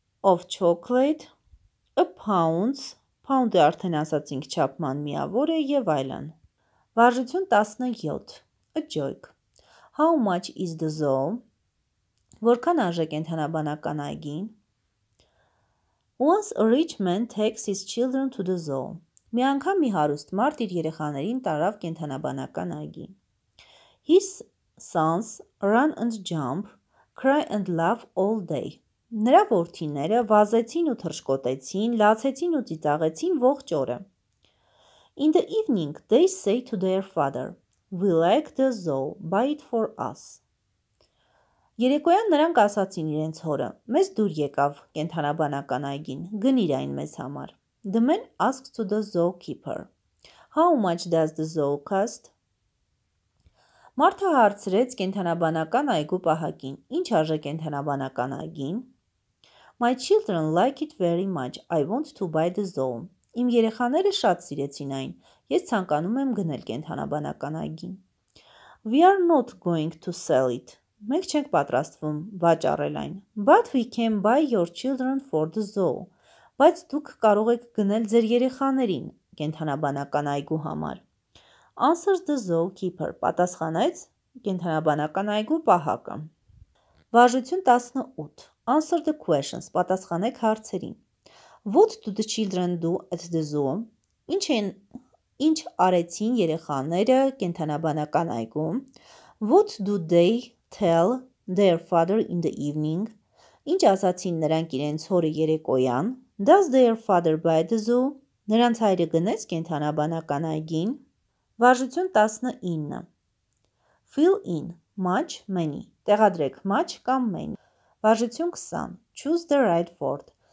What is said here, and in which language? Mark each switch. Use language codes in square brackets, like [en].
[en] Of chocolate, a pound. [hy] Pound-ը արդեն ասացինք չափման միավոր է եւ այլն։ Վարժություն 17. [en] A joke. How much is the zoo? [hy] Որքան արժեք ենթանաբանական այգին? [en] Once a rich man takes his children to the zoo. [hy] Մի անգամ մի հարուստ մարդ իր երեխաներին տարավ կենթանաբանական այգի. [en] His sons run and jump, cry and laugh all day. [hy] Նրա որդիները վազեցին ու թռչկոտեցին, լացեցին ու ծիծաղեցին ողջ օրը. [en] In the evening, they say to their father, We like the zoo. Buy it for us. [hy] Երեկոյան նրանք ասացին իրենց հորը. Մեզ դուր եկավ կենթանաբանական այգին. Գնիր այն մեզ համար. [en] The man asked to the zookeeper. How much does the zoo cost? [hy] Մարդը հարցրեց կենթանաբանական այգու պահակին. Ինչ արժե կենթանաբանական այգին? [en] My children like it very much. I want to buy the zoo. [hy] Իմ երեխաները շատ սիրեցին այն։ Ես ցանկանում եմ գնել կենթանաբանական այգին։ [en] We are not going to sell it. [hy] Մենք չենք պատրաստվում վաճառել այն։ [en] But we can buy your children for the zoo. [hy] Բայց դուք կարող եք գնել ձեր երեխաներին կենթանաբանական այգու համար։ [en] Answers the zookeeper. [hy] Պատասխանեց կենթանաբանական այգու պահակը։ Վարժություն 18. [en] Answer the questions. [hy] Պատասխանեք հարցերին։ [en] What do the children do at the zoo? [hy] Ինչ արեցին երեխաները կենթանաբանական այգում? [en] What do they tell their father in the evening? [hy] Ինչ ասացին նրանք իրենց հորը երեկոյան? [en] Does their father buy the zoo? [hy] Նրանց հայրը գնեց կենթանաբանական այգին? Վարժություն 19. [en] Fill in much, many. [hy] Տեղադրեք [en] much կամ many. [hy] Վարժություն 20. [en] Choose the right word.